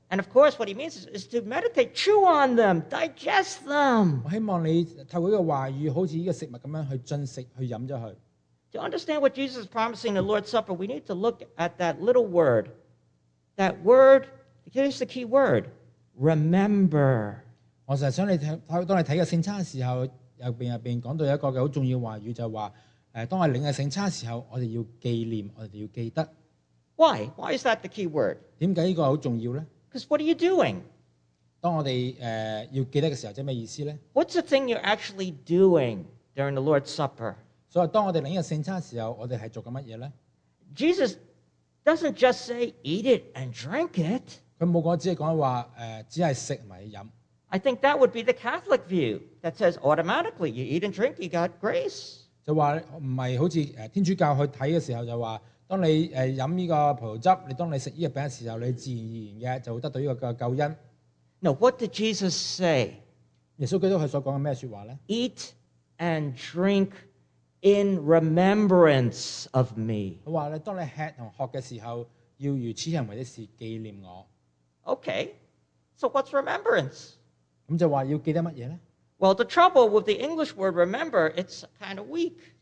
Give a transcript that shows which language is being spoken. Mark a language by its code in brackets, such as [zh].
[en] And of course, what he means is to meditate, chew on them, digest them. [zh] 我希望你透過這個話語,好像這個食物一樣,去進食,去喝下去。 [en] To understand what Jesus is promising in the Lord's Supper, we need to look at that little word. That word, here's the key word, remember. [zh] 我經常想你看聖餐的時候,裡面講到一個很重要的話語,就是當我領了聖餐的時候,我們要紀念,我們要記得。 [en] Why? Why is that the key word? [zh] 為什麼這個很重要呢? [en] Because what are you doing? [zh] 當我們要記得的時候,即是什麼意思呢? [en] What's the thing you're actually doing during the Lord's Supper? [zh] 所以當我們領了聖餐的時候,我們是在做什麼呢? [en] Jesus doesn't just say, eat it and drink it. [zh] 他沒有說,只是吃和喝。 [en] I think that would be the Catholic view that says automatically, you eat and drink, you got grace. [zh] 就說,不是好像天主教去看的時候就說, 當你喝這個葡萄汁,你當你吃這個餅的時候,你自然而然就會得到這個救恩。 [en] No, what did Jesus say? [zh] 耶穌基督他所說的什麼話呢? [en] Eat and drink in remembrance of me. [zh] 他說,當你吃和喝的時候,要如此行為的事紀念我。 [en] Okay, so what's remembrance? [zh] 那就說要記得什麼呢? [en] Well, the trouble with the English word remember, it's kind of weak.